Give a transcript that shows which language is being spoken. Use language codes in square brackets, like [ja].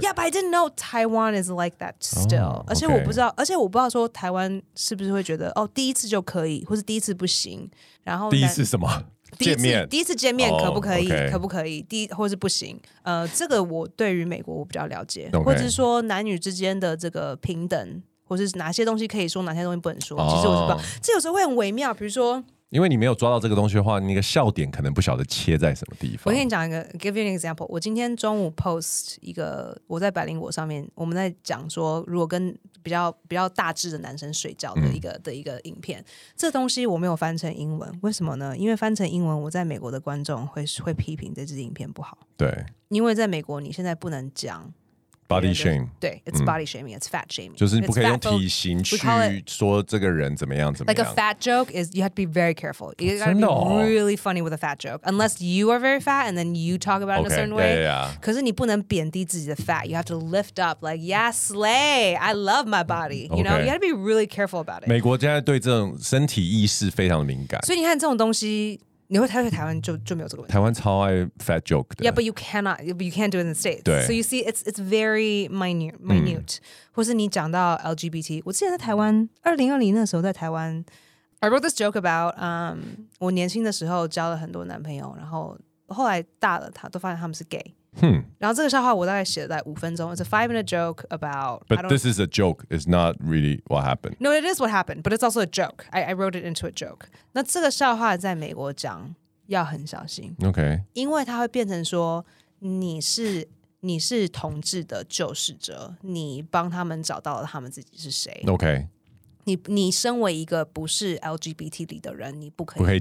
[en] Yeah but I didn't know Taiwan is like that still、 oh, okay. [zh] 而且我不知道，而且我不知道说台湾是不是会觉得哦第一次就可以，或是第一次不行，然后第一次什么见面，第一次见面可不可以、 oh, okay. 可不可以第一或是不行，这个我对于美国我比较了解、 okay. 或者是说男女之间的这个平等，或是哪些东西可以说哪些东西不能说、oh. 其实我是不知道，这有时候会很微妙，比如说因为你没有抓到这个东西的话，你的笑点可能不晓得切在什么地方。我跟你讲一个 [en] give you an example， [zh] 我今天中午 post 一个，我在百灵果上面我们在讲说如果跟比较大只的男生睡觉的一个影片，这东西我没有翻成英文，为什么呢？因为翻成英文我在美国的观众会批评这支影片不好。对，因为在美国你现在不能讲 [en] Body shame， [zh] 对 [en] ，it's body shaming，、嗯、it's fat shaming， [zh] 就是你不可以用体型去说这个人怎么样怎么样。 [en] Like a fat joke is you have to be very careful. You gotta be really funny with a fat joke, unless you are very fat and then you talk about it okay, in a certain way. [zh] 对呀、啊。可是你不能贬低自己的 fat. [en] You have to lift up like yeah, slay. I love my body. You know,、 okay. you gotta be really careful about it. [zh] 美国现在对这种身体意识非常的敏感，所以你看这种东西。你会台湾就没有这个问题。台湾超爱 fat joke 的。 [en] Yeah, but you can't do it in the States. [zh] 对。 [en] So you see, it's very minute.、 [zh] 嗯、或是你讲到 LGBT, 我之前在台湾2020那时候在台湾 [en] I wrote this joke about, [zh] 我年轻的时候交了很多男朋友，然后后来大了他都发现他们是 gay. 哼。然后这个笑话我大概写了在五分钟 [en] It's a 5-minute joke about, But this is a joke. It's not really what happened. No, it is what happened, but it's also a joke. I wrote it into a joke. [zh] 那这个笑话在美国讲要很小心 OK 因为它会变成说你是同志的救世者，你帮他们找到了他们自己是谁 OK 你身为一个不是 LGBT 里的人，你不可以